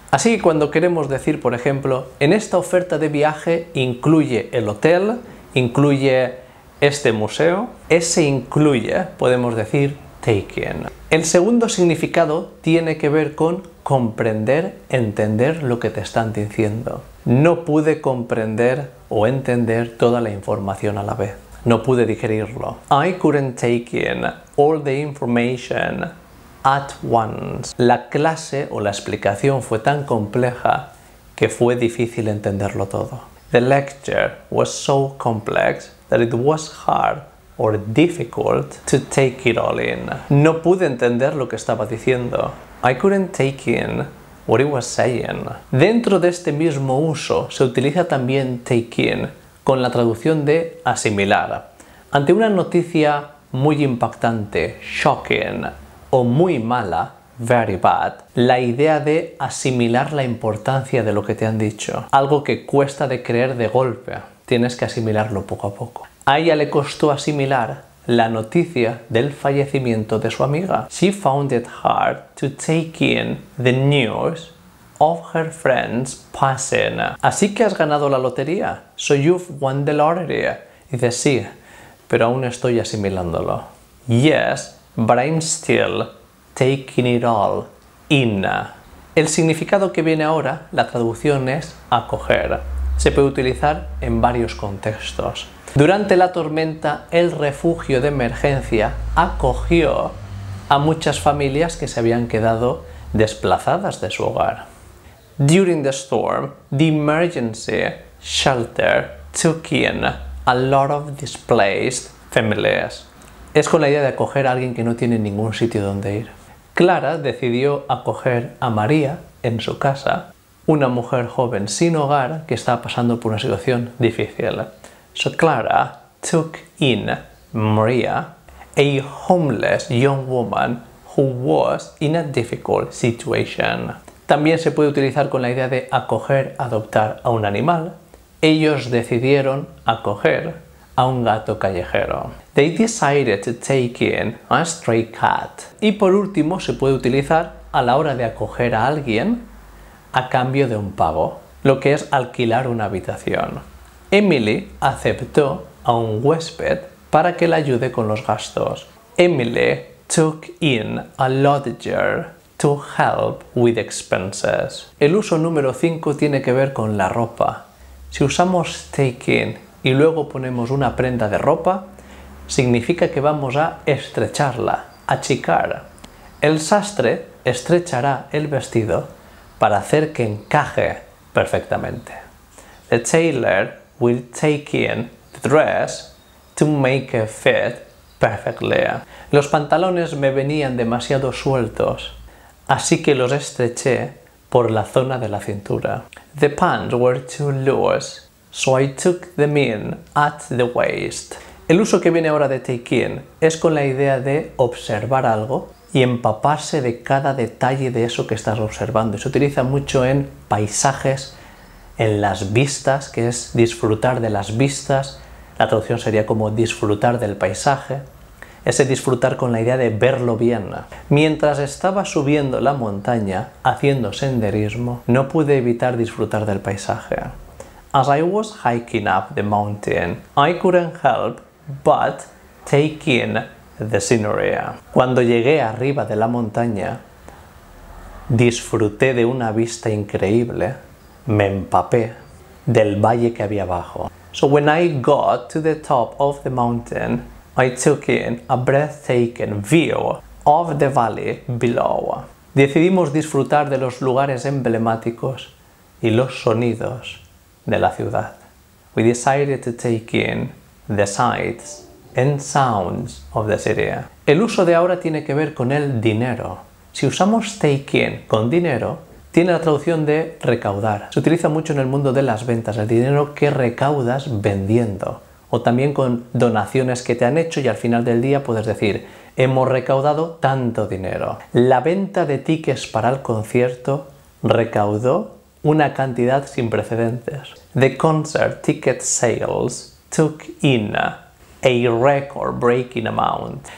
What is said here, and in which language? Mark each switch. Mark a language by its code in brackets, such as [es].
[es] Así que cuando queremos decir, por ejemplo, en esta oferta de viaje incluye el hotel, incluye este museo, ese incluye, podemos decir, taken. El segundo significado tiene que ver con comprender, entender lo que te están diciendo. No pude comprender o entender toda la información a la vez. No pude digerirlo. [en] I couldn't take in all the information at once. [es] La clase o la explicación fue tan compleja que fue difícil entenderlo todo. [en] The lecture was so complex that it was hard or difficult to take it all in. [es] No pude entender lo que estaba diciendo. [en] I couldn't take in what he was saying. [es] Dentro de este mismo uso se utiliza también take in con la traducción de asimilar. Ante una noticia muy impactante, shocking, o muy mala, very bad, la idea de asimilar la importancia de lo que te han dicho. Algo que cuesta de creer de golpe. Tienes que asimilarlo poco a poco. A ella le costó asimilar la noticia del fallecimiento de su amiga. [en] She found it hard to take in the news of her friend's passing. [es] Así que has ganado la lotería. [en] So you've won the lottery. [es] Dice, sí, pero aún estoy asimilándolo. [en] Yes, but I'm still taking it all in. [es] El significado que viene ahora, la traducción es acoger. Se puede utilizar en varios contextos. Durante la tormenta, el refugio de emergencia acogió a muchas familias que se habían quedado desplazadas de su hogar. [en] During the storm, the emergency shelter took in a lot of displaced families. [es] Es con la idea de acoger a alguien que no tiene ningún sitio donde ir. Clara decidió acoger a María en su casa, una mujer joven sin hogar que estaba pasando por una situación difícil. [en] So Clara took in Maria, a homeless young woman who was in a difficult situation. [es] También se puede utilizar con la idea de acoger, adoptar a un animal. Ellos decidieron acoger a un gato callejero. [en] They decided to take in a stray cat. [es] Y por último, se puede utilizar a la hora de acoger a alguien a cambio de un pago, lo que es alquilar una habitación. Emily aceptó a un huésped para que la ayude con los gastos. [en] Emily took in a lodger to help with expenses. [es] El uso número 5 tiene que ver con la ropa. Si usamos take in y luego ponemos una prenda de ropa, significa que vamos a estrecharla, achicar. El sastre estrechará el vestido para hacer que encaje perfectamente. [en] The tailor will take in the dress to make it fit perfectly. [es] Los pantalones me venían demasiado sueltos, así que los estreché por la zona de la cintura. [en] The pants were too loose, so I took them in at the waist. [es] El uso que viene ahora de take in es con la idea de observar algo y empaparse de cada detalle de eso que estás observando. Se utiliza mucho en paisajes, en las vistas, que es disfrutar de las vistas. La traducción sería como disfrutar del paisaje. Ese disfrutar con la idea de verlo bien. Mientras estaba subiendo la montaña, haciendo senderismo, no pude evitar disfrutar del paisaje. [en] As I was hiking up the mountain, I couldn't help but take in the scenery. [es] Cuando llegué arriba de la montaña, disfruté de una vista increíble, me empapé del valle que había abajo. [en] So when I got to the top of the mountain, I took in a breathtaking view of the valley below. [es] Decidimos disfrutar de los lugares emblemáticos y los sonidos de la ciudad. [en] We decided to take in the sights and sounds of the city. [es] El uso de ahora tiene que ver con el dinero. Si usamos take in con dinero, tiene la traducción de recaudar. Se utiliza mucho en el mundo de las ventas, el dinero que recaudas vendiendo. O también con donaciones que te han hecho y al final del día puedes decir, hemos recaudado tanto dinero. La venta de tickets para el concierto recaudó una cantidad sin precedentes. [en] The concert ticket sales took in a record-breaking amount.